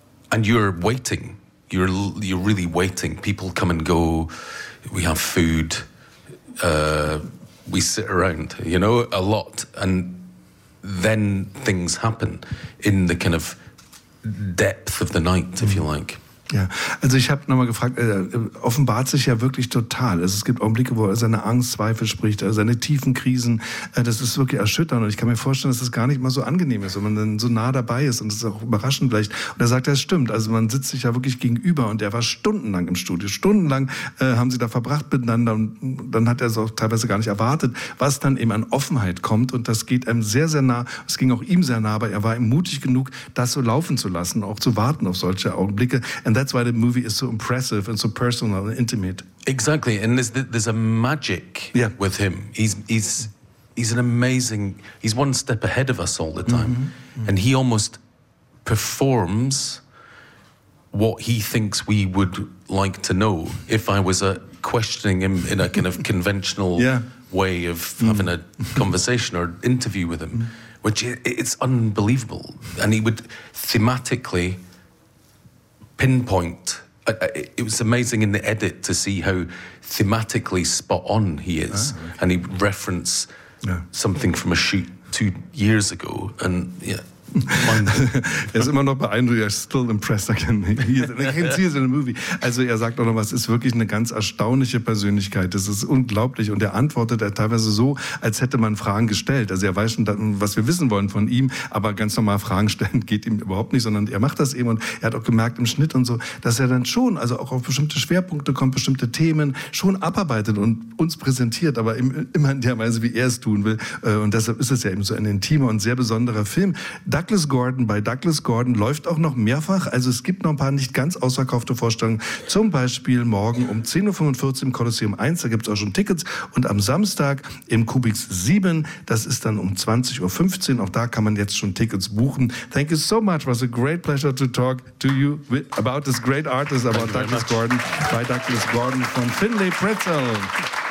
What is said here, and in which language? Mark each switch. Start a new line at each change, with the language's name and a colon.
English: And you're waiting. You're really waiting. People come and go. We have food. We sit around, you know, a lot. And then things happen in the kind of depth of the night, if you like.
German: Ja, also ich habe nochmal gefragt, offenbart sich ja wirklich total. Also es gibt Augenblicke, wo er seine Angst, Zweifel spricht, also seine tiefen Krisen. Das ist wirklich erschütternd. Und ich kann mir vorstellen, dass das gar nicht mal so angenehm ist, wenn man dann so nah dabei ist. Und das ist auch überraschend vielleicht. Und er sagt, das stimmt. Also man sitzt sich ja wirklich gegenüber. Und er war stundenlang im Studio. Stundenlang haben sie da verbracht miteinander. Und dann hat er es auch teilweise gar nicht erwartet, was dann eben an Offenheit kommt. Und das geht einem sehr, sehr nah. Es ging auch ihm sehr nah. Aber er war mutig genug, das so laufen zu lassen, auch zu warten auf solche Augenblicke.
English: And that's why the movie is so impressive and so personal and intimate. Exactly, and there's a magic with him. He's an amazing. He's one step ahead of us all the time, and he almost performs what he thinks we would like to know. If I was questioning him in a kind of conventional way of having a conversation or interview with him, which it's unbelievable, and he would thematically pinpoint. It was amazing in the edit to see how thematically spot on he is. And he referenced something from a shoot 2 years ago. And
German: er ist immer noch beeindruckt. Er ist
English: still impressed.
German: Er kennt sie in dem Movie. Also er sagt auch noch was. Es ist wirklich eine ganz erstaunliche Persönlichkeit. Das ist unglaublich. Und er antwortet teilweise so, als hätte man Fragen gestellt. Also er weiß schon, was wir wissen wollen von ihm. Aber ganz normal Fragen stellen geht ihm überhaupt nicht. Sondern er macht das eben. Und er hat auch gemerkt im Schnitt und so, dass er dann schon, also auch auf bestimmte Schwerpunkte kommt, bestimmte Themen schon abarbeitet und uns präsentiert. Aber immer in der Weise, wie er es tun will. Und deshalb ist es ja eben so ein intimer und sehr besonderer Film. Douglas Gordon bei Douglas Gordon läuft auch noch mehrfach. Also es gibt noch ein paar nicht ganz ausverkaufte Vorstellungen. Zum Beispiel morgen um 10.45 Uhr im Kolosseum 1, da gibt es auch schon Tickets. Und am Samstag im Kubix 7, das ist dann um 20.15 Uhr. Auch da kann man jetzt schon Tickets buchen.
English: Thank you so much. It was a great pleasure to talk to you about this great artist, about Douglas Gordon, by Douglas Gordon von Finlay Pretzel. Thank you.